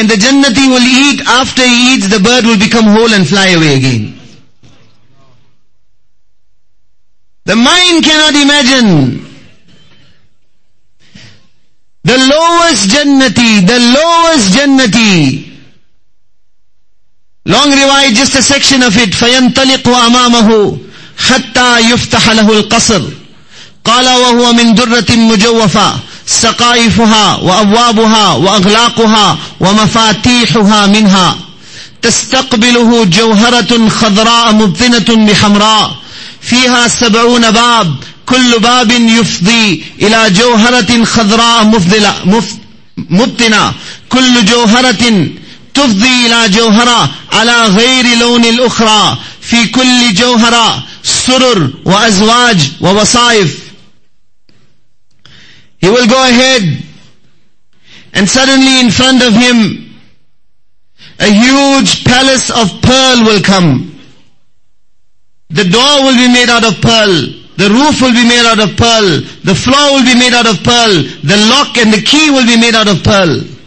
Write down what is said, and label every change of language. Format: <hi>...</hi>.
<en>And the jannati will eat. After he eats, the bird will become whole and fly away again. The mind cannot imagine. The lowest jannati, the lowest jannati. Long riwayat, just a section of it.</en> <ar>فَيَنْتَلِقُ أَمَامَهُ حَتَّى يُفْتَحَ لَهُ الْقَصْرِ قَالَ وَهُوَ مِنْ دُرَّةٍ مُجَوَّفَ سَقَائِفُهَا وَأَبْوَابُهَا وَأَغْلَاقُهَا وَمَفَاتِيحُهَا مِنْهَا تَسْتَقْبِلُهُ جَوْهَرَةٌ خَضْرَاءَ مُبْتِنَةٌ بِحَمْرَاءَ فِيهَا سَبْعُونَ بَابٍ كل باب يفضي إلى جوهرة خضراء مبتنة كل جوهرة تفضي إلى جوهرة على غير لون الأخرى في كل جوهرة سرر وأزواج ووصائف.</ar> <en>He will go ahead and suddenly in front of him a huge palace of pearl will come. The door will be made out of pearl. The roof will be made out of pearl. The floor will be made out of pearl. The lock and the key will be made out of pearl.</en>